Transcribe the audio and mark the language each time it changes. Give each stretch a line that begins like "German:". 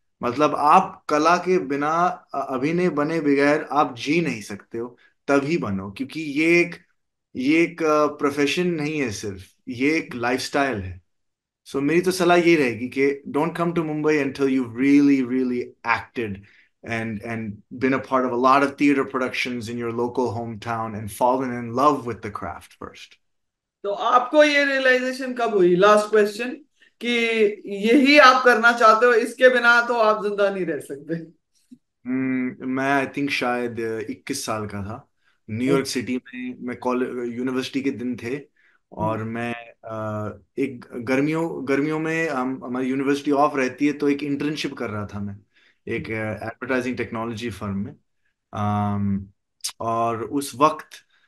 Hindi: मतलब आप कला के बिना, अभिनय बने बगैर आप जी नहीं सकते हो, तभी बनो. क्योंकि ये एक प्रोफेशन नहीं है सिर्फ, ये एक लाइफस्टाइल है. सो मेरी तो सलाह ये रहेगी कि
English: Don't come to Mumbai until you really really acted and been a part of a lot of theater productions in your local hometown and fallen in love with the craft first?
Hindi: तो आपको ये रियलाइजेशन कब हुई, last question, कि यही आप करना चाहते हो, इसके बिना तो आप जिंदा नहीं रह सकते? मैं आई थिंक शायद 21 साल का था, न्यूयॉर्क सिटी में मैं कॉलेज यूनिवर्सिटी के दिन थे, और मैं एक गर्मियों गर्मियों में हम हमारी यूनिवर्सिटी ऑफ रहती है तो एक इंटर्नशिप कर रहा था मैं एक एडवर्टाइजिंग टेक्नोलॉजी फर्म में, और उस वक्त